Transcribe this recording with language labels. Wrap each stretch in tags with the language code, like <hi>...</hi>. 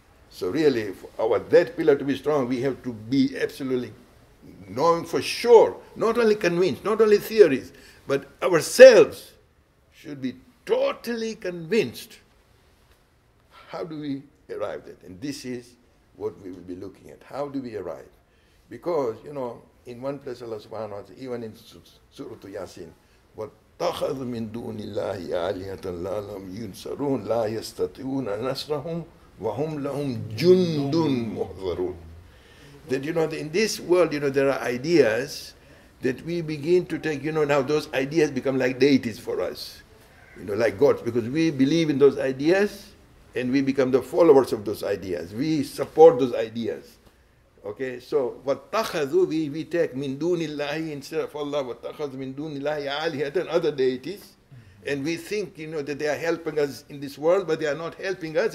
<en>So really, for our that pillar to be strong, we have to be absolutely knowing for sure, not only convinced, not only theories, but ourselves should be totally convinced. How do we arrive at it? And this is what we will be looking at. How do we arrive? Because, you know, in one place Allah subhanahu wa ta'ala, even in Surah Yasin,</en> <ar>وَاتَّخَذُ مِن دُونِ اللَّهِ آلِهَةً لَا لَمْ يُنْصَرُونَ لَا يَسْتَطِعُونَ نَصْرَهُمْ وَهُمْ لَهُمْ جُنْدٌ مُحْضَرُونَ.</ar> <en>That, you know, in this world, you know, there are ideas that we begin to take, you know, now those ideas become like deities for us, you know, like gods, because we believe in those ideas and we become the followers of those ideas. We support those ideas. Okay, so وَاتَّخَذُوا, we take</en> <ar>مِن دُونِ اللَّهِ</ar> <en>instead of Allah,</en> <ar>وَاتَّخَذُوا مِن دُونِ اللَّهِ آلِهَةً,</ar> <en>other deities, and we think, you know, that they are helping us in this world, but they are not helping us.</en>